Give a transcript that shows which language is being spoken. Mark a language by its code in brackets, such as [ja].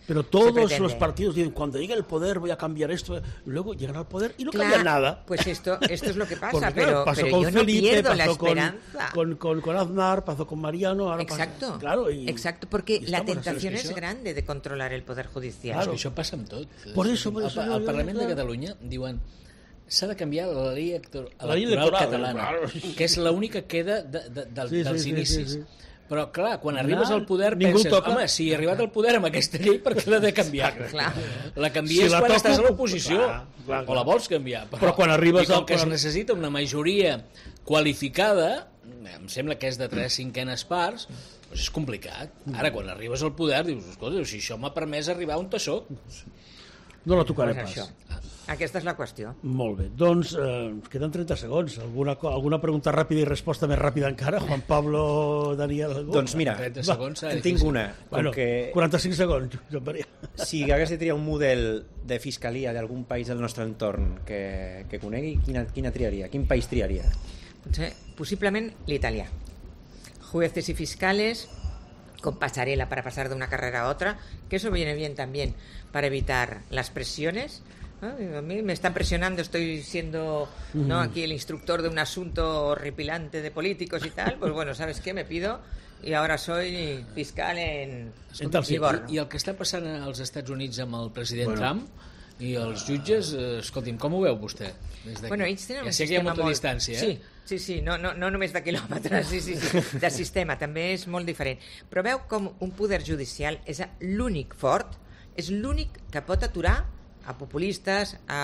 [es] Pero todos los partidos dicen, cuando llegue el poder voy a cambiar esto, luego llegan al poder y no cambian nada. Pues esto es lo que pasa, pero yo no pierdo la esperanza. Pasó con Aznar, pasó con Mariano. Ahora exacto, pasa, claro, y, exacto, porque y la tentación es grande de controlar el Poder Judicial. Claro. [ca] Això passa amb tot. [es] Por eso, al [ca] Parlament de Catalunya diuen s'ha de canviar la llei electoral catalana, que és l'única que queda dels inicis. Però, clar, quan arribes al poder penses, home, si he arribat al poder amb aquesta llei, per què l'he de canviar? La canvies quan estàs a l'oposició. O la vols canviar. Però quan arribes al que es necessita una majoria qualificada, em sembla que és de 3/5 parts, és complicat. Ara, quan arribes al poder, dius, escolta, si això m'ha permès arribar on soc. No la tocaré pas. Aquesta és la qüestió. Molt bé. Doncs queden 30 segons. Alguna pregunta ràpida i resposta més ràpida encara? Juan Pablo, Daniel... Doncs mira, 30 segons, va, en tinc una. Bueno, que... 45 segons, Josep Maria. Si hagués de triar un model de fiscalia d'algun país del nostre entorn que conegui, quina triaria? Quin país triaria? Potser, possiblement l'Itàlia. [es] Jueces y fiscales con pasarela para pasar de una carrera a otra, que eso viene bien también para evitar las presiones. A mí me están presionando, estoy siendo no aquí el instructor de un asunto horripilante de políticos y tal, pues bueno, ¿sabes qué? Me pido y ahora soy fiscal en Livorno. Y el que está pasando en los Estados Unidos con el presidente Trump y los jueces, [ca] escolti'm, [es] ¿cómo [ca] veu vostè? Bueno, ells tenen un sistema que hi ha molta distància, Sí. Sí, sí, no només de quilòmetres, sí, de sistema, també és molt diferent. Però veu com un poder judicial és l'únic fort, és l'únic que pot aturar a populistes,